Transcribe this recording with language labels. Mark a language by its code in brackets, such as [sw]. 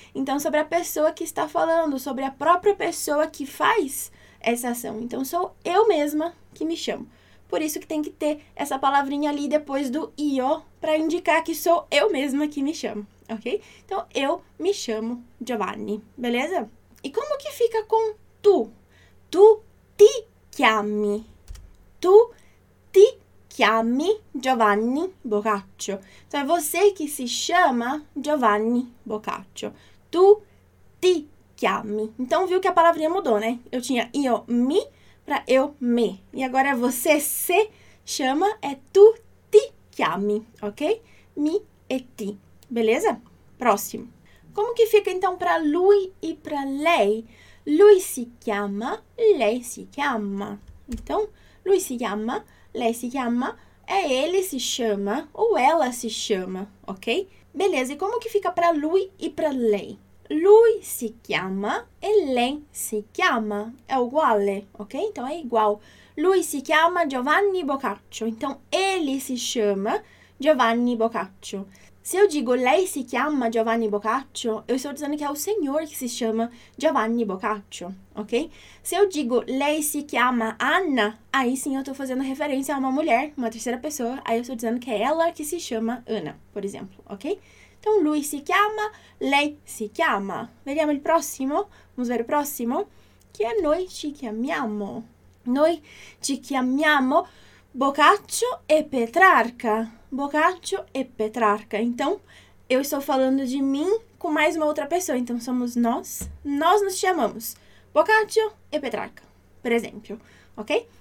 [pt] Então, sobre a pessoa que está falando, sobre a própria pessoa que faz essa ação. Então, sou eu mesma que me chamo. Por isso que tem que ter essa palavrinha ali depois do io, para indicar que sou eu mesma que me chamo. Ok? Então, eu me chamo Giovanni, beleza? E como que fica com tu? [it] Tu ti chiami. Tu ti chiami Giovanni Boccaccio. [pt] Então, é você que se chama Giovanni Boccaccio. [it] Tu ti chiami. [pt] Então, viu que a palavrinha mudou, né? Eu tinha io mi para eu me. E agora é você se chama, é [it] tu ti chiami, [pt] ok? Mi e ti. Beleza? Próximo. Como que fica, então, para lui e para lei? [it] Lui si chiama, lei si chiama. [pt] Então, [it] lui si chiama, lei si chiama, [pt] é ele se chama ou ela se chama, ok? Beleza, e como que fica para lui e para lei? [it] Lui si chiama e lei si chiama. [pt] É uguale, ok? Então, é igual. [it] Lui si chiama Giovanni Boccaccio. [pt] Então, ele se chama Giovanni Boccaccio. Se eu digo, [it] lei si chiama Giovanni Boccaccio, [pt] eu estou dizendo que é o senhor que se chama Giovanni Boccaccio, ok? Se eu digo, [it] lei si chiama Anna, [pt] aí sim eu estou fazendo referência a uma mulher, uma terceira pessoa, aí eu estou dizendo que é ela que se chama Anna, por exemplo, ok? Então, [it] lui si chiama, lei si chiama. Vediamo il prossimo, [pt] vamos ver o próximo, que é [it] noi ci chiamiamo. Noi ci chiamiamo Boccaccio e Petrarca. [pt] Boccaccio e Petrarca. Então, eu estou falando de mim com mais uma outra pessoa, então somos nós. Nós nos chamamos Boccaccio e Petrarca, por exemplo, ok?